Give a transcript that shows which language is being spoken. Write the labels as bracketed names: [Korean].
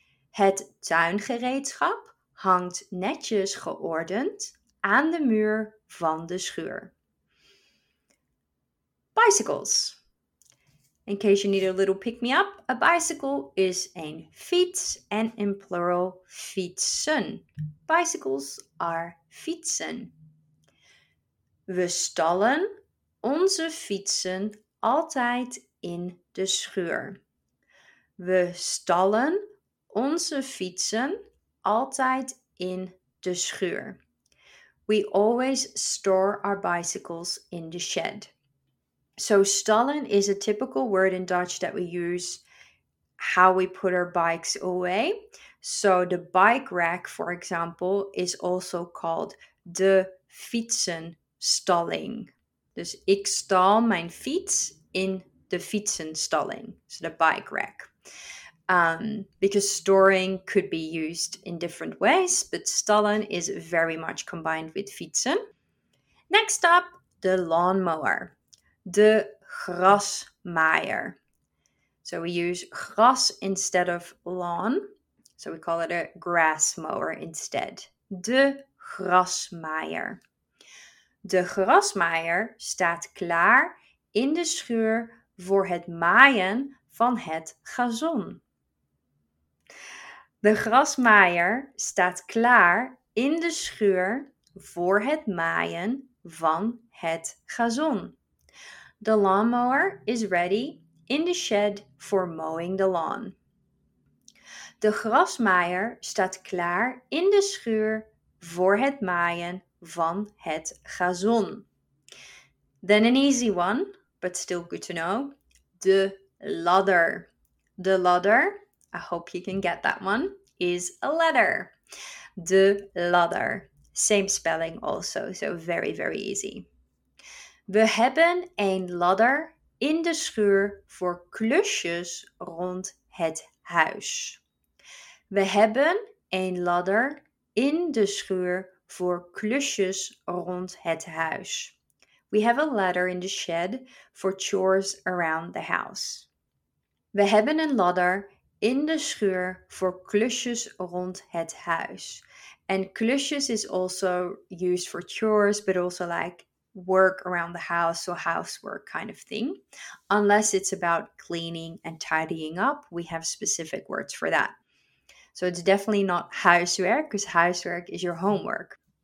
[Dutch] Het tuingereedschap hangt netjes geordend aan de muur van de schuur. [English] Bicycles. In case you need a little pick-me-up, a bicycle is een fiets and in plural fietsen. Bicycles are fietsen. [Dutch] We stallen onze fietsen altijd in de schuur. We stallen onze fietsen altijd in de schuur. [English] We always store our bicycles in the shed. So stallen is a typical word in Dutch that we use how we put our bikes away. So the bike rack, for example, is also called de fietsenstalling. [Dutch] Dus ik stal mijn fiets in de fietsenstalling. [English] So the bike rack. Because storing could be used in different ways, but stallen is very much combined with fietsen. Next up, the lawnmower. De grasmaaier. So we use gras instead of lawn. So we call it a grass mower instead. [Dutch] De grasmaaier. De grasmaaier staat klaar in de schuur voor het maaien van het gazon. De grasmaaier staat klaar in de schuur voor het maaien van het gazon. [English] The lawnmower is ready in the shed for mowing the lawn. [Dutch] De grasmaaier staat klaar in de schuur voor het maaien van het gazon. [English] Then an easy one, but still good to know. De ladder. De ladder, I hope you can get that one, is a ladder. De ladder. Same spelling also, so very, very easy. [Dutch] We hebben een ladder in de schuur voor klusjes rond het huis. We hebben een ladder in de schuur voor klusjes rond het huis. [English] We have a ladder in the shed for chores around the house. [Dutch] We hebben een ladder in de schuur voor klusjes rond het huis. [English] And klusjes is also used for chores, but also like work around the house or housework kind of thing. Unless it's about cleaning and tidying up, we have specific words for that. So it's definitely not huiswerk, because huiswerk is your homework.